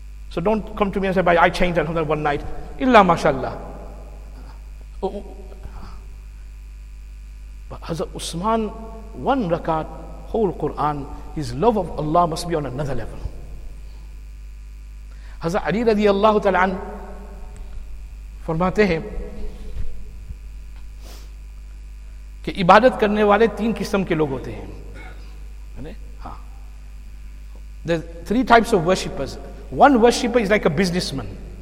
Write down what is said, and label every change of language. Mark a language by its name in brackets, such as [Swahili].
[English] So don't come to me and say, I changed Alhamdulillah one night. Illa mashallah. But Hazrat Usman, one rakat, whole Quran, his love of Allah must be on another level. [Urdu] Hazrat Ali radiallahu ta'ala an, فرماتے ہیں کہ عبادت کرنے والے تین قسم کے لوگ ہوتے ہیں. [English] There are three types of worshippers. One worshipper is like a businessman.